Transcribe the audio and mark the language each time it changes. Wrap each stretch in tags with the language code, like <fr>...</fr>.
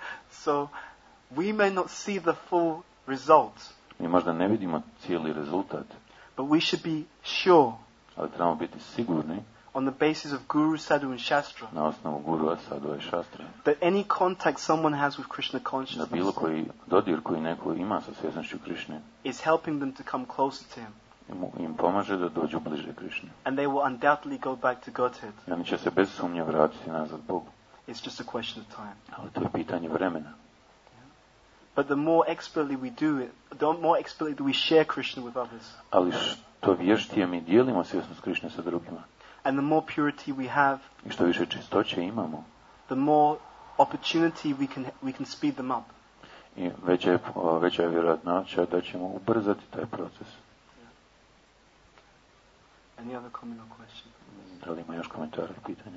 <en>So, we may not see the full result.</en> <hr>Mi možda ne vidimo cijeli rezultat.</hr> <en>But we should be sure.</en> <hr>Ali trebamo biti sigurni.</hr> <en>On the basis of Guru, Sadhu and Shastra.</en> <hr>Na osnovu Guru, Sadhu I Shastra.</hr> <en>That any contact someone has with Krishna consciousness.</en> <hr>Da bilo koji dodir koji neko ima sa svjesnošću Krishne.</hr> <en>Is helping them to come closer to Him.</en> <hr>Im pomaže da dođu bliže Krishne.</hr> <en>And they will undoubtedly go back to Godhead.</en> <hr>I oni će se bez sumnje vratiti nazad Bogu.</hr> <en>It's just a question of time.</en> <hr>Ali to je pitanje vremena.</hr> <en>But the more expertly we do it, the more expertly we share Krishna with others.</en> <hr>Ali što vještije mi dijelimo svjesnost Krishne sa drugima.</hr> <en>And the more purity we have,</en> <hr>i što više čistoće imamo,</hr> <en>the more opportunity we can speed them up.</en> <hr>I veća je vjerojatnoća da ćemo ubrzati taj proces.</hr> <en>Yeah. Any other comment or question?</en> <hr>Da li ima još komentara ili pitanja?</hr>